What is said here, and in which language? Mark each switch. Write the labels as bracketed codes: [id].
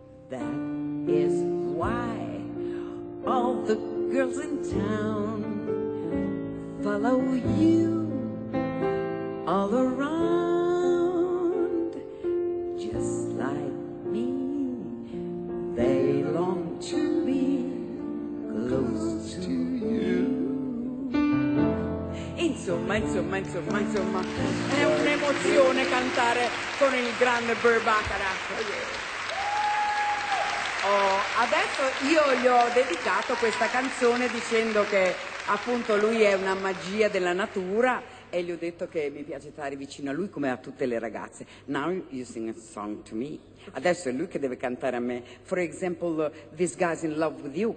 [en] That is why all the girls in town follow you all around. Just like me, they long to be close to you. [it] Insomma, è un'emozione cantare con il grande Bird Bacharach. Oh, adesso io gli ho dedicato questa canzone dicendo che appunto lui è una magia della natura e gli ho detto che mi piace stare vicino a lui come a tutte le ragazze. [en] Now you sing a song to me. [it] Adesso è lui che deve cantare a me. [en] For example, this guy's in love with you.